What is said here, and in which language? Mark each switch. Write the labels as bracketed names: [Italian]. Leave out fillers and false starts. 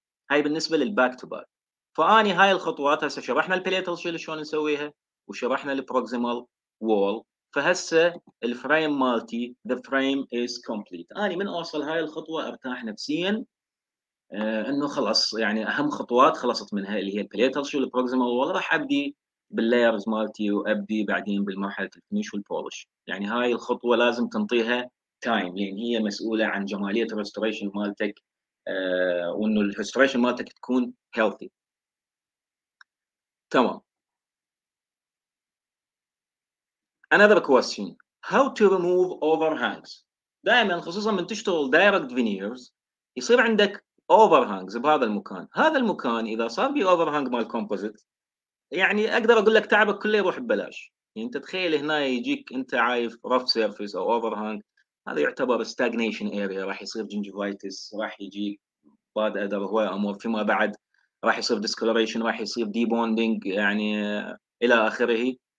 [Arabic] هاي بالنسبه للباك تو باك. فاني هاي الخطوات هسه شرحنا البليتال شيل شلون نسويها وشرحنا البروكسيمال وول، فهسه الفريم مالتي ذا فريم از كومبليت، اني من اوصل هاي الخطوه ارتاح نفسيا انه خلاص، يعني اهم خطوات خلصت منها اللي هي البليتال شيل البروكسيمال وول، راح ابدي باللايرز مالتي وابدي بعدين بالمرحله الفينيش والبولش. يعني هاي الخطوه لازم تنطيها تايم، لان هي مسؤوله عن جماليه الريستوريشن مالتك وانه الريستوريشن مالتك تكون هيلثي. تمام، [English] another question how to remove overhangs. [Arabic] دائما خصوصا من تشتغل [English] direct veneers [Arabic] يصير عندك overhangs بهذا المكان، هذا المكان اذا صار بي overhang مال composite يعني اقدر اقول لك تعبك كله يروح ببلاش. يعني انت تخيل هنا يجيك انت عايف رف سيرفيس او اوفر هانج، هذا يعتبر ستاجنيشن اريا، راح يصير جنجيفايتس، راح يجيك باد ادر هواي امور، فيما بعد راح يصير ديسكولوريشن، راح يصير دي بوندنج يعني الى اخره.